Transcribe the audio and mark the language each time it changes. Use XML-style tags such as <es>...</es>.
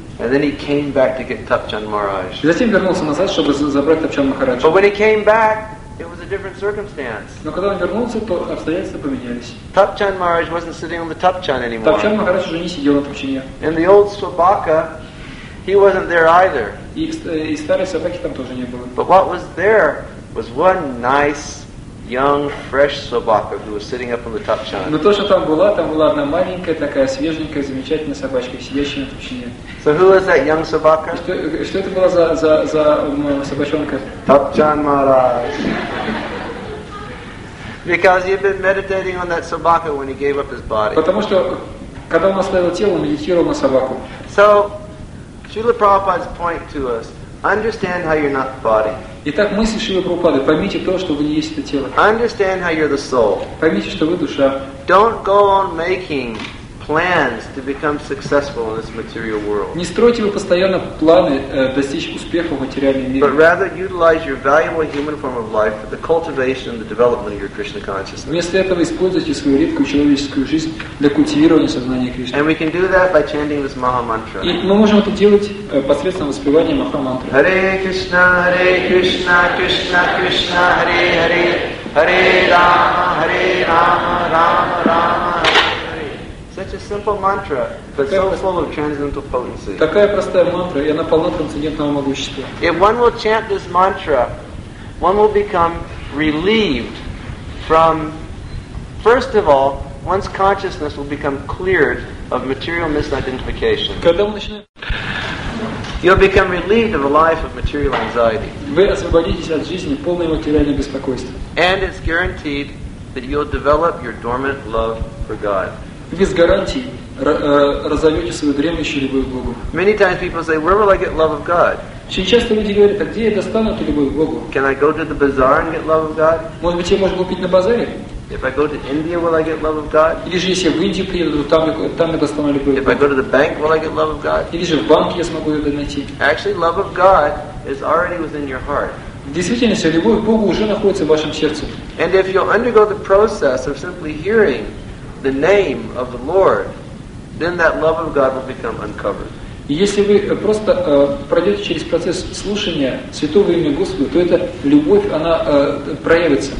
<en>And then he came back to get Thakchan Maharaj.</en> <ru>Затем вернулся назад, чтобы забрать Тапчан Махарадж.</ru> <en>But when he came back, it was a different circumstance.</en> <ru>Но когда он вернулся, то обстоятельства поменялись.</ru> <en>Thakchan Maharaj wasn't sitting on the Thakchan anymore.</en> <ru>Тапчан Махарадж уже не сидел на Тапчане.</ru> <en>And the old Svabaka, he wasn't there either.</en> <ru>И старой собаки там тоже не было.</ru> <en>But what was there was one nice, young, fresh Svabaka who was sitting up on the Thakchan.</en> <ru>Но то, что там была одна маленькая, такая свеженькая, замечательная собачка, сидящая на Тапчане.</ru> <en>So who was that young собака?</en> <ru>Что это была за собачонка?</ru> <en>Thakchan Maharaj. Because he had been meditating on that собака when he gave up his body.</en> <ru>Потому что когда он оставил тело, он медитировал на собаку.</ru> <en>So Srila Prabhupada's point to us: understand how you're not the body.</en> <ru>Итак, мысль Шрилы Прабхупады: поймите то, что вы не есть это тело.</ru> <en>Understand how you're the soul.</en> <ru>Поймите, что вы душа.</ru> <en>Don't go on making plans to become successful in this material world.</en> <ru>Не стройте вы постоянно планы достичь успеха в материальном мире.</ru> <en>But rather utilize your valuable human form of life for the cultivation and the development of your Krishna consciousness.</en> <ru>Вместо этого используйте свою редкую человеческую жизнь для культивирования сознания Кришны.</ru> <en>And we can do that by chanting this Maha Mantra.</en> <ru>И мы можем это делать посредством воспевания Маха Мантры.</ru> <sa>Hare Krishna, Hare Krishna, Krishna Krishna, Hare Hare, Hare Rama, Hare Rama, Rama Rama.</sa> <en>Such a simple mantra, but so full of transcendental potency.</en> <ru>Такая простая мантра, и она полна трансцендентного могущества.</ru> <en>If one will chant this mantra, one will become relieved from, first of all, one's consciousness will become cleared of material misidentification. You'll become relieved of a life of material anxiety.</en> <ru>Вы освободитесь от жизни полной материальной беспокойства.</ru> <en>And it's guaranteed that you'll develop your dormant love for God.</en> <ru>Без гарантий разовьете свою дремлющую любовь к Богу.</ru> <en>Many times people say, "Where will I get love of God?"</en> <ru>Очень часто люди говорят, а где я достану эту любовь к Богу?</ru> <en>Can I go to the bazaar and get love of God?</en> <ru>Может быть, я могу купить на базаре?</ru> <en>If I go to India, will I get love of God?</en> <ru>Или же если я в Индию приеду, там я достану любовь к Богу?</ru> <en>If I go to the bank, will I get love of God?</en> <ru>Или же в банке я смогу ее найти?</ru> <en>Actually, love of God is already within your heart.</en> <ru>Действительно, любовь к Богу уже находится в вашем сердце.</ru> <en>And if you undergo the process of simply hearing the name of the Lord, then that love of God will become uncovered.</en> <ru>Если вы просто пройдете через процесс слушания святого имени Господа, то эта любовь, она проявится.</ru>